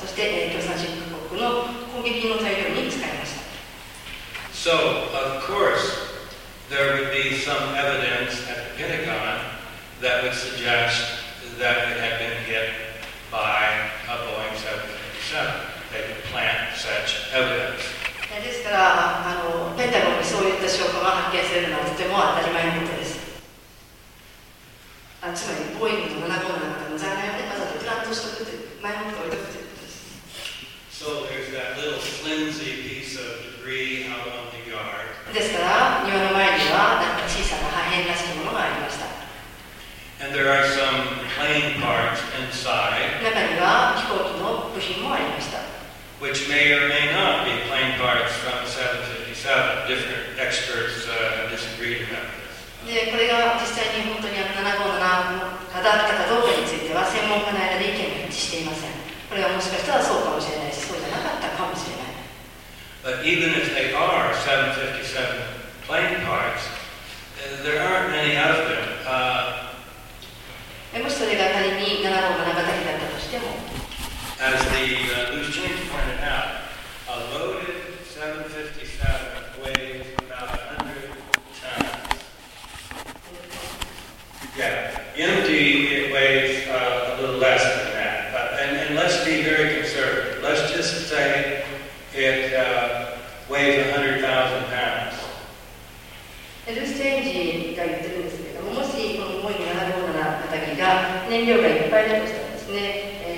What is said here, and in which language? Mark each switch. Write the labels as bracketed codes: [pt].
[ja] そして、共産主義国の攻撃の材料に使いました。 [en] So, of course, there would be some evidence at the Pentagon that would suggest that it had been hit by a Boeing 737. They would plant such evidence. [ja] ですから、ペンタゴンにそういった証拠が発見されるのはとても当たり前のことです。つまり、ボーイングと757の残骸をね、わざとプラントしておくという、前もって置いておくということです。 [en] So, there's that little flimsy piece of debris out on the yard. [ja] ですから、庭の前にはなんか小さな破片らしきものがありました。 [en] And there are some plane parts inside. [ja] 中には飛行機の部品もありました。 [en] Which may or may not be plane parts from the 757. Different experts disagreed about this. [ja] で、これが実際に本当に757かだったかどうかについては、専門家の間で意見が一致していません。これはもしかしたらそうかもしれないし、そうじゃなかったかもしれない。 [en] But even if they are 757 plane parts, there aren't many of them. [ja] もしそれが仮に757型機だったとしても、 [en] As the loose change pointed out, a loaded 757 weighs about 100 tons. Yeah, empty it weighs a little less than that. But and let's be very conservative. Let's just say it weighs 100,000 pounds. [ja] Loose change が言ってるんですけども、もしこの重い757型機が燃料がいっぱいだとしたらですね。